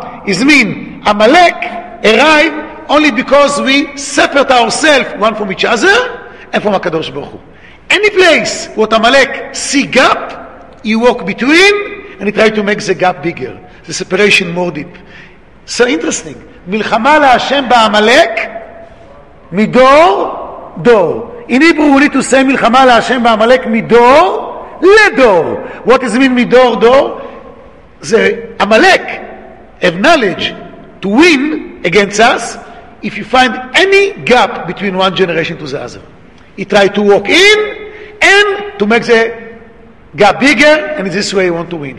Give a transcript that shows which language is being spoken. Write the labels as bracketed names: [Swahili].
[English] It means, Amalek arrived only because we separate ourselves, one from each other, and from הקדוש ברוך הוא. any place what Amalek see gap, you walk between and you try to make the gap bigger, the separation more deep. So interesting. [Hebrew] מלחמה להשם בעמלק מדור דור. [English] In Hebrew we need to say [Hebrew] מלחמה להשם בעמלק מדור לדור. [English] What does it mean [Hebrew] מדור דור? [English] The Amalek have knowledge to win against us if you find any gap between one generation to the other. He try to walk in and to make the gap bigger, and this way he want to win.